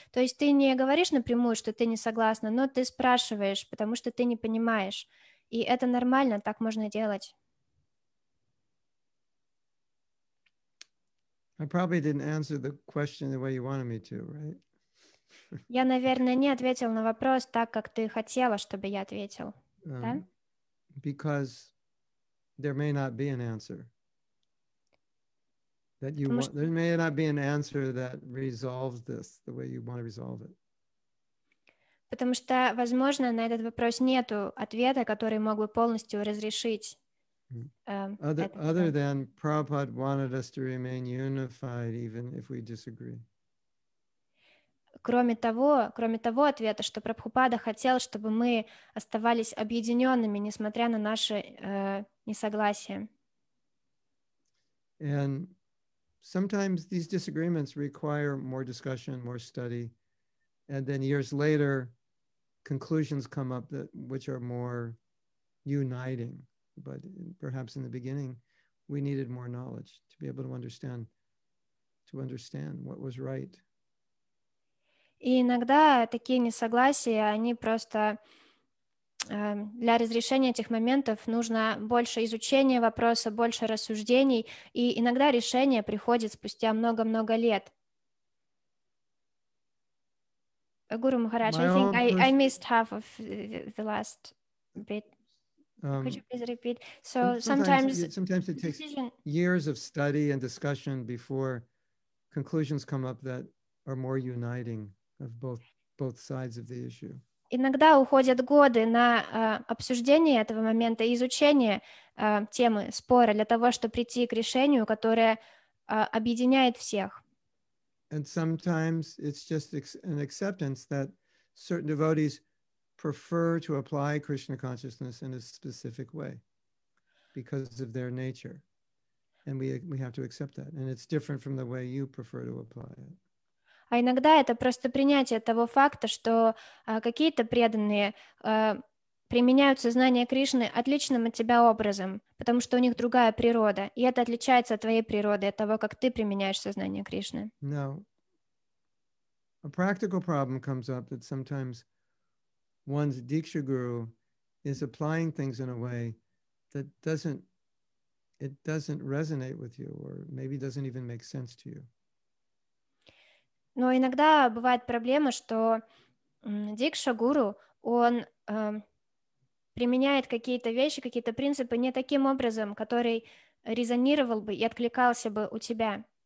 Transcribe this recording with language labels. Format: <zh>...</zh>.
<ru>То есть ты не говоришь напрямую, что ты не согласна, но ты спрашиваешь, потому что ты не понимаешь. И это нормально, так можно делать.</ru> <en>I probably didn't answer the question the way you wanted me to, right?</en> <ru>Я, наверное, не ответил на вопрос так, как ты хотела, чтобы я ответил. Да?</ru> <en>Because there may not be an answer that you want. There may not be an answer that resolves this the way you want to resolve it.</en> <ru>Потому что, возможно, на этот вопрос нету ответа, который мог бы полностью разрешить.</ru> <en>Other than Prabhupada wanted us to remain unified even if we disagree.</en> <ru>Кроме того ответа, что Прабхупада хотел, чтобы мы оставались объединенными, несмотря на наше несогласие.</ru> <en>And sometimes these disagreements require more discussion, more study, and then years later conclusions come up that which are more uniting. But perhaps in the beginning, we needed more knowledge to be able to understand what was right.</en> <ru>И иногда такие несогласия, они просто для разрешения этих моментов нужно больше изучения вопроса, больше рассуждений, и иногда решение приходит спустя много-много лет.</ru> <en>Гуру Махарадж, I think I missed half of the last bit. Could you please repeat? So sometimes it takes years of study and discussion before conclusions come up that are more uniting of both sides of the issue.</en> <ru>Иногда уходят годы на обсуждение этого момента, изучение темы спора для того, чтобы прийти к решению, которое объединяет всех.</ru> <en>And sometimes it's just an acceptance that certain devotees prefer to apply Krishna consciousness in a specific way because of their nature. And we have to accept that. And it's different from the way you prefer to apply it.</en> <ru>А иногда это просто принятие того факта, что какие-то преданные применяют сознание Кришны отличным от тебя образом, потому что у них другая природа. И это отличается от твоей природы, от того, как ты применяешь сознание Кришны.</ru> <en>No. A practical problem comes up that sometimes one's Diksha Guru is applying things in a way that doesn't resonate with you, or maybe doesn't even make sense to you.</en> <ru>Но иногда бывает проблема, что Диксха Гуру, он применяет какие-то вещи, какие-то принципы не таким образом, который резонировал бы и откликался бы у тебя.</ru>